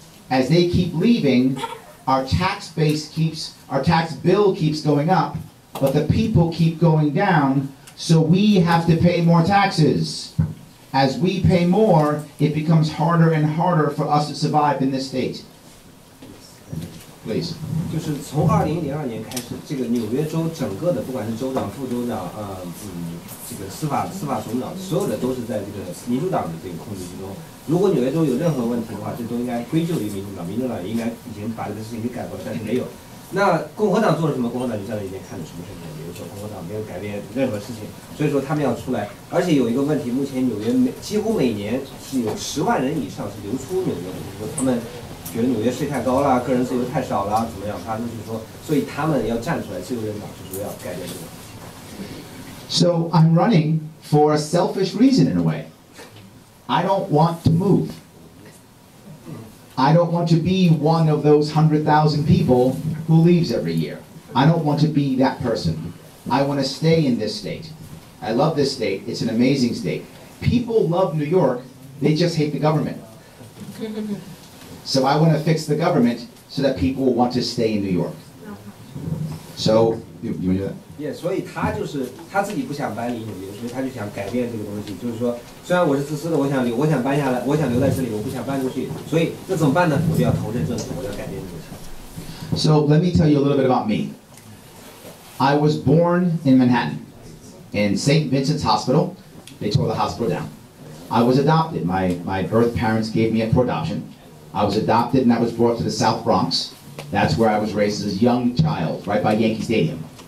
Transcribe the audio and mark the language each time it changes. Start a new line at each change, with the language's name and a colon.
English: As they keep leaving, our tax bill keeps going up, but the people keep going down, so we have to pay more taxes. As we pay more, it becomes harder and harder for us to survive in this state. Please.
Chinese: 就是从2002年开始，这个纽约州整个的，不管是州长、副州长，这个司法总长，所有的都是在这个民主党的这个控制之中。如果纽约州有任何问题的话，这都应该归咎于民主党。民主党应该已经把这个事情给改过了，但是没有。那共和党做了什么？共和党就站在一边看着，什么事情也没有做。共和党没有改变任何事情，所以说他们要出来。而且有一个问题，目前纽约几乎每年是有10万人以上是流出纽约的，就是说他们觉得纽约税太高了，个人自由太少了，怎么样？他们就说，所以他们要站出来，自由人党就是要改变这个。
English: So I'm running for a selfish reason in a way. I don't want to move. I don't want to be one of those 100,000 people who leaves every year. I don't want to be that person. I want to stay in this state. I love this state. It's an amazing state. People love New York. They just hate the government. So I want to fix the government so that people will want to stay in New York. So, you want to do that?
Chinese: Yeah, 所以他就是他自己不想搬离纽约，所以他就想改变这个东西。就是说，虽然我是自私的，我想搬下来，我想留在这里，我不想搬出去。所以那怎么办呢？我就要投身政治，我要改变这个。
English: So let me tell you a little bit about me. I was born in Manhattan, in St. Vincent's Hospital. They tore the hospital down. I was adopted. My birth parents gave me up for adoption. I was adopted and I was brought to the South Bronx. That's where I was raised as a young child, right by Yankee Stadium.